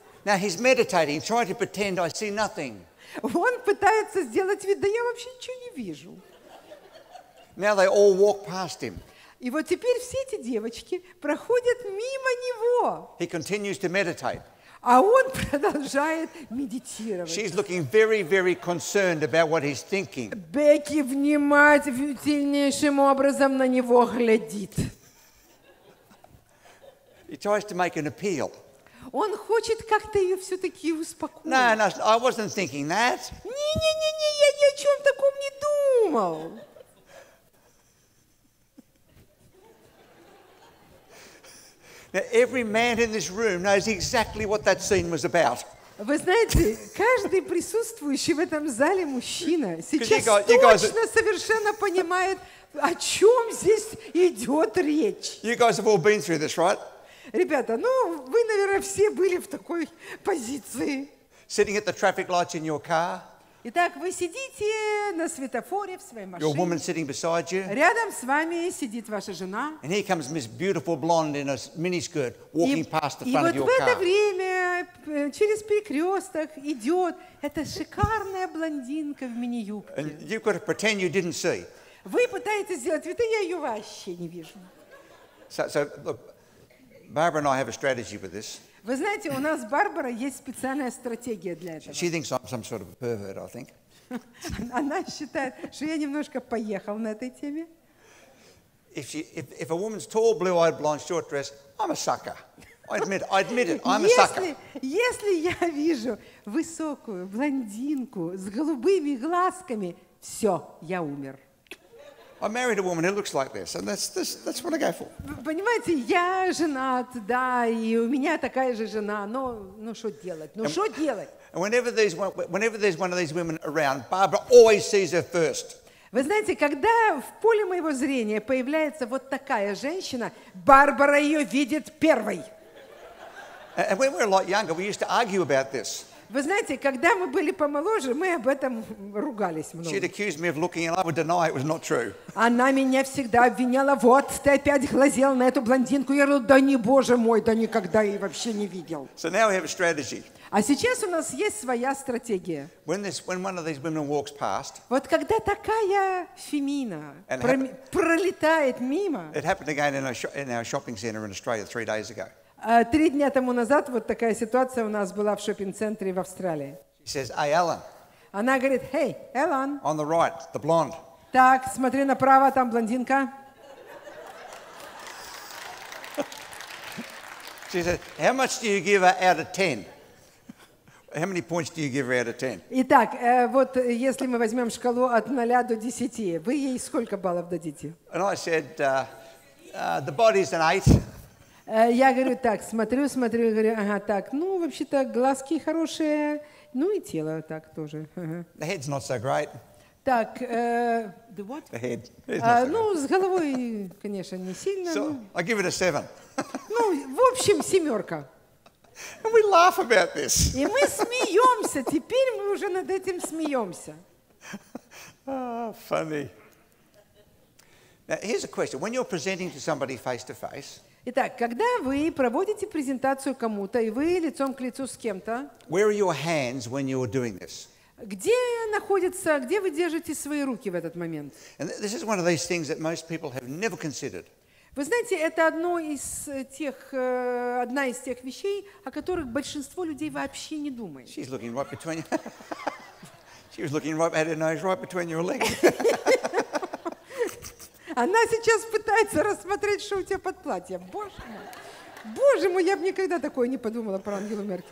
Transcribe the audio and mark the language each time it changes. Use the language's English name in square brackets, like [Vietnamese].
[English] Now he's meditating, trying to pretend I see nothing. [Russian] Он пытается сделать вид, да я вообще ничего не вижу. [English] Now they all walk past him. [Russian] И вот теперь все эти девочки проходят мимо него. [English] He continues to meditate. [Russian] А он продолжает медитировать. [English] She's looking very, very concerned about what he's thinking. [Russian] Бекки внимательнейшим образом на него глядит. [English] He tries to make an appeal. [Russian] Он хочет как-то ее все-таки успокоить. [English] No, I wasn't thinking that. [Russian] Не-не-не-не, я ни о чем таком не думал. [English] Now every man in this room knows exactly what that scene was about. [Russian] Вы знаете, каждый присутствующий в этом зале мужчина сейчас точно совершенно понимает, о чем здесь идет речь. [English] You guys have all been through this, right? [Russian] Ребята, ну вы, наверное, все были в такой позиции. [English] Sitting at the traffic lights in your car. [Russian] Итак, вы сидите на светофоре в своей машине. [English] Your woman sitting beside you. [Russian] Рядом с вами сидит ваша жена. [English] And here comes this beautiful blonde in a miniskirt walking past the front of your car. [Russian] И вот в это время через перекресток идет эта шикарная блондинка в мини-юбке. [English] And you've got to pretend you didn't see. [Russian] Вы пытаетесь сделать вид, я ее вообще не вижу. [English] So look, Barbara and I have a strategy with this. [Russian] Вы знаете, у нас с Барбарой есть специальная стратегия для этого. [English] She thinks I'm some sort of a pervert, I think. [Russian] Она считает, что я немножко поехал на этой теме. [English] If a woman's tall, blue-eyed, blonde, short dress, I'm a sucker. I admit it. I'm a sucker. [Russian] Если я вижу высокую блондинку с голубыми глазками, все, я умер. [English] I married a woman who looks like this, and that's what I go for. [Russian] Понимаете, я женат, да, и у меня такая же жена. Но, ну что делать? Ну что делать? [English] And whenever there's one of these women around, Barbara always sees her first. [Russian] Вы знаете, когда в поле моего зрения появляется вот такая женщина, Барбара ее видит первой. [English] And when we were a lot younger, we used to argue about this. [Russian] Вы знаете, когда мы были помоложе, мы об этом ругались много. [English] She'd accuse me of looking, and I would deny it was not true. [Russian] Она меня всегда обвиняла: вот ты опять глазел на эту блондинку. Я говорю: да не, боже мой, да никогда я ее вообще не видел. [English] So now we have a strategy. [Russian] А сейчас у нас есть своя стратегия. [English] When one of these women walks past, [Russian] вот когда такая фемина пролетает мимо. [English] It happened again in our shopping center in Australia 3 days ago. [Russian] Три дня тому назад вот такая ситуация у нас была в шопинг-центре в Австралии. [English] She says, hey, [Russian] она говорит: [English] «Hey, [Russian] Alan». [English] On the right, the blonde. [Russian] Так, смотри направо, там блондинка. [English] She says, how much do you give her out of 10? How many points do you give her out of 10? [Russian] Итак, вот если мы возьмем шкалу от 0 до 10, вы ей сколько баллов дадите? [English] And I said, the body's an 8. [Russian] Я говорю: так, смотрю, говорю: ага, так, ну, вообще-то, глазки хорошие, ну, и тело так тоже. [English] The head's not so great. [Russian] Так, [English] the what? The head. [Russian] Ну, с головой, конечно, не сильно. [English] So, [Russian] но... [English] I give it a 7. [Russian] Ну, в общем, семерка. [English] And we laugh about this. [Russian] И мы смеемся, теперь мы уже над этим смеемся. [English] Oh, funny. Now, here's a question. When you're presenting to somebody face-to-face, [Russian] итак, когда вы проводите презентацию кому-то, и вы лицом к лицу с кем-то, [English] where are your hands when you are doing this? [Russian] Где находится, где вы держите свои руки в этот момент? [English] And this is one of these things that most people have never considered. [Russian] Вы знаете, это одна из тех вещей, о которых большинство людей вообще не думает. [English] She's looking right between you. She was looking right at her nose, right between your legs. [Russian] Она сейчас пытается рассмотреть, что у тебя под платьем. Боже мой, я бы никогда такое не подумала про Ангелу